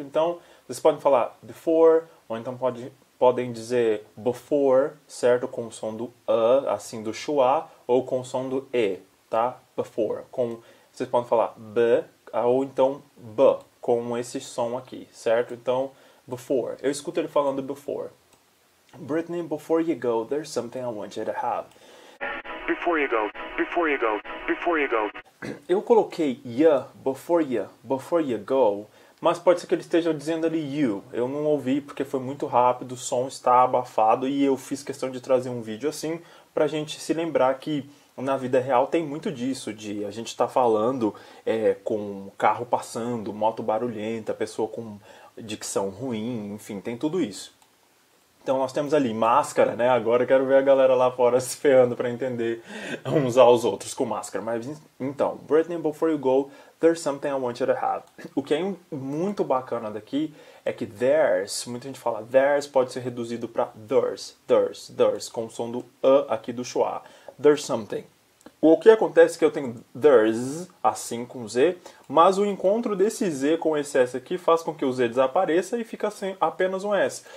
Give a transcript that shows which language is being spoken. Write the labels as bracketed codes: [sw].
[pt] Então, vocês podem falar before, ou então podem dizer before, certo? Com o som do a, assim, do schwa, ou com o som do e, tá? Before, com... Vocês podem falar b, ou então b, com esse som aqui, certo? Então, before. Eu escuto ele falando before. [en] Brittany, before you go, there's something I want you to have. Before you go, before you go, before you go. [pt] Eu coloquei ya, [en] before you go, [pt] mas pode ser que ele esteja dizendo ali you. Eu não ouvi porque foi muito rápido, o som está abafado e eu fiz questão de trazer um vídeo assim pra gente se lembrar que na vida real tem muito disso, de a gente tá falando com um carro passando, moto barulhenta, pessoa com dicção ruim, enfim, tem tudo isso. Então nós temos ali máscara, né? Agora eu quero ver a galera lá fora se ferrando pra entender uns aos outros com máscara. [en] Mas então, Brittany, before you go, there's something I want you to have. [pt] O que é muito bacana daqui é que there's, muita gente fala there's, pode ser reduzido pra there's, there's, there's, com o som do a aqui do schwa. [en] There's something. [pt] O que acontece é que eu tenho there's, assim com Z, mas o encontro desse Z com esse S aqui faz com que o Z desapareça e fica sem apenas um S.